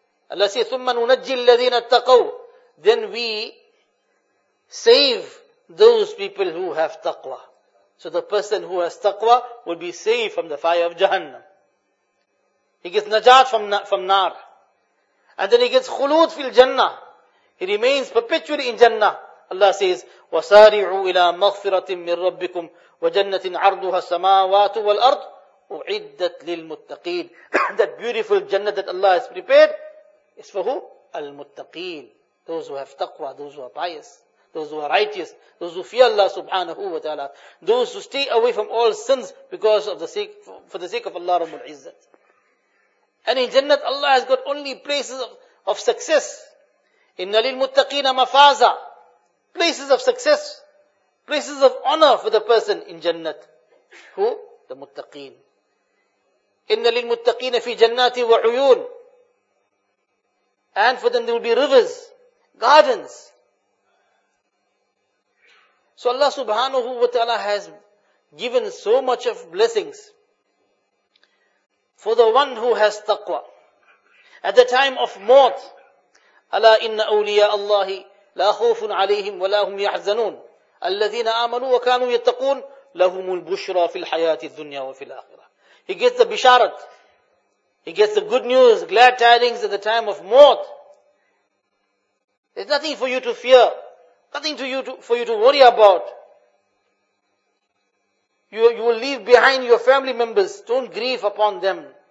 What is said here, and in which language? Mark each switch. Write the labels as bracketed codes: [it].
[en] Allah says, [ar] ثُمَّ نُنَجِّي الَّذِينَ اتَّقَوْا. [en] Then we save those people who have taqwa. So the person who has taqwa will be saved from the fire of Jahannam. He gets najat from nar. And then he gets khulud fil jannah. He remains perpetually in jannah. Allah says, [ar] وَسَارِعُوا إِلَىٰ مَغْفِرَةٍ مِّن رَبِّكُمْ وَجَنَّةٍ عَرْضُهَا السَّمَاوَاتُ وَالْأَرْضُ أُعِدَّتْ لِلْمُتَّقِينَ. [en] That beautiful jannah that Allah has prepared is for who? Al-muttaqeen. Those who have taqwa, those who are pious, those who are righteous, those who fear Allah subhanahu wa ta'ala, those who stay away from all sins because of the sake, for the sake of Allah Rabbul Izzat. And in Jannat, Allah has got only places of success. [ar] إِنَّ لِلْمُتَّقِينَ مَفَازَ. [en] Places of success, places of honor for the person in Jannat. Who? The muttaqeen. [ar] إِنَّ لِلْمُتَّقِينَ فِي جَنَّاتِ وَعُيُونَ. [en] And for them there will be rivers, gardens. So Allah subhanahu wa ta'ala has given so much of blessings for the one who has taqwa. At the time of mort, [ar] أَلَا إِنَّ أَوْلِيَاءَ اللَّهِ لَا خَوْفٌ عَلَيْهِمْ وَلَا هُمْ يَحْزَنُونَ الَّذِينَ آمَنُوا وَكَانُوا يَتَّقُونَ لَهُمُ الْبُشْرَى فِي الْحَيَاةِ الدُّنْيَا وَفِي الْآخِرَةِ. [en] He gets the bisharat. He gets the good news, glad tidings at the time of mort. There's nothing for you to fear. Nothing for you to worry about. You will leave behind your family members. Don't grieve upon them.